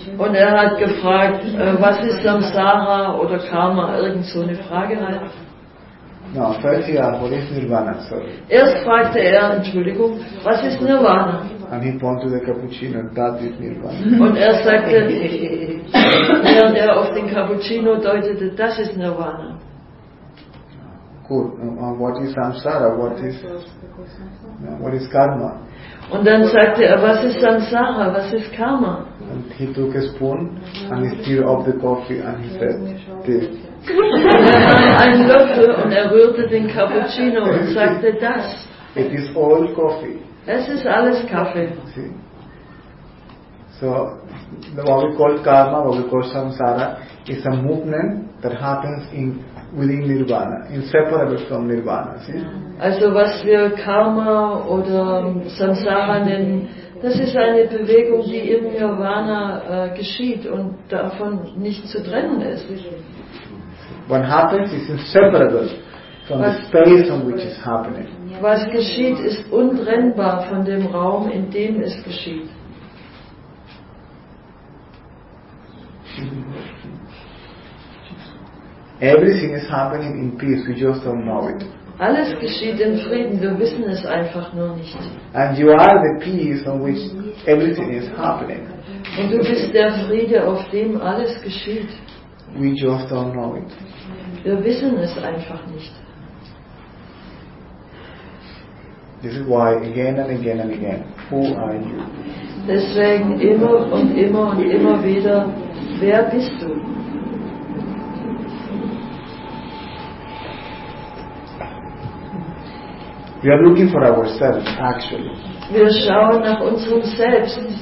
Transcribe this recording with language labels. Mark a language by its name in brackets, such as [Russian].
[German] Und er hat gefragt, was ist samsara oder karma, irgend so eine Frage halt. [English] No, first he asked, what is nirvana, sorry. [German] Erst fragte er, Entschuldigung, was ist nirvana? [English] And he pointed to the cappuccino, that is nirvana. [German] Und er sagte, während er auf den cappuccino deutete, das ist nirvana. [English] Cool, what is samsara, what is karma? [German] Und dann sagte er, was ist samsara, was ist karma? [English] And he took a spoon, and he stirred up the coffee, and he said, this. [German] Ein Löffel und er rührte den Cappuccino und sagte das. [English] It is all coffee. [German] Es ist alles Kaffee. [English] So, what we call karma, what we call samsara, is a movement that happens within Nirvana, inseparable from Nirvana. See? [German] Also was wir Karma oder Samsara nennen, das ist eine Bewegung, die im Nirvana geschieht und davon nicht zu trennen ist. [English] What happens is inseparable from the space in which it's happening. [German] Was geschieht, ist untrennbar von dem Raum, in dem es geschieht. [English] Everything is happening in peace, we just don't know it. [German] Alles geschieht in Frieden, wir wissen es einfach nur nicht. [English] And you are the peace on which everything is happening. [German] Und du bist der Friede, auf dem alles geschieht. [English] We just don't know it. [German] Wir wissen es einfach nicht. [English] This is why again and again and again. Who are you? [German] Deswegen immer und immer und immer wieder, wer bist du? [English] We are looking for ourselves, actually. [German] Wir schauen nach unserem Selbst.